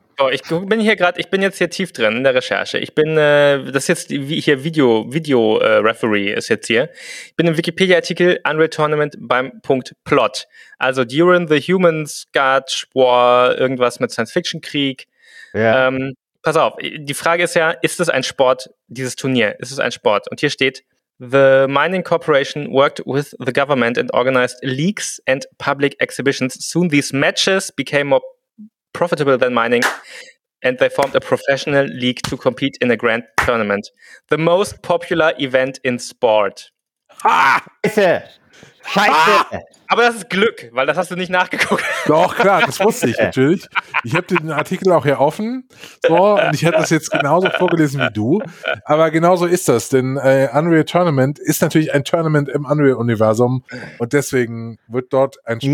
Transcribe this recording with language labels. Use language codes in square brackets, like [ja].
[de] Oh, ich bin hier gerade, ich bin jetzt hier tief drin in der Recherche. Ich bin, das ist jetzt hier Video-Referee ist jetzt hier. Ich bin im Wikipedia-Artikel Unreal Tournament beim Punkt Plot. [en] Also during the humans got war, [de] irgendwas mit Science-Fiction-Krieg. [en] Yeah. [de] Pass auf, die Frage ist ja, ist es ein Sport, dieses Turnier? Ist es ein Sport? Und hier steht, [en] the mining corporation worked with the government and organized leagues and public exhibitions. Soon these matches became more profitable than mining, and they formed a professional league to compete in a grand tournament. The most popular event in sport. [de] Ah! Scheiße! Scheiße! Ah! Aber das ist Glück, weil das hast du nicht nachgeguckt. Doch, klar, das wusste ich natürlich. Ich habe den Artikel auch hier offen, so, und ich hätte das jetzt genauso vorgelesen wie du. Aber genauso ist das, denn Unreal Tournament ist natürlich ein Tournament im Unreal-Universum und deswegen wird dort ein Sport...